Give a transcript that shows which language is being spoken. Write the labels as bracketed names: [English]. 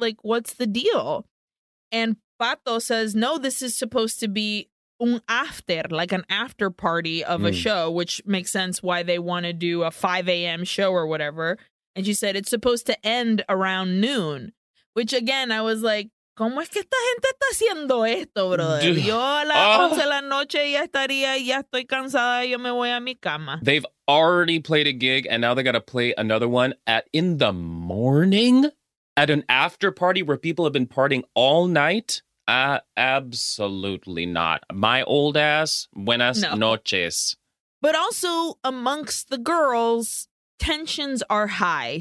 [English] Like, what's the deal? And Pato says, no, this is supposed to be un after, like an after party of a show, which makes sense why they want to do a 5 a.m. show or whatever. And she said, it's supposed to end around noon. Which, again, I was like, [Spanish] ¿cómo es que esta gente está haciendo esto, brother? Yo a las 11 de la noche ya estaría, ya estoy cansada, yo me voy a mi cama. [English] They've already played a gig, and now they got to play another one at in the morning? At an after party where people have been partying all night? Absolutely not. My old ass, [Spanish] buenas noches. [English] But also, amongst the girls, tensions are high.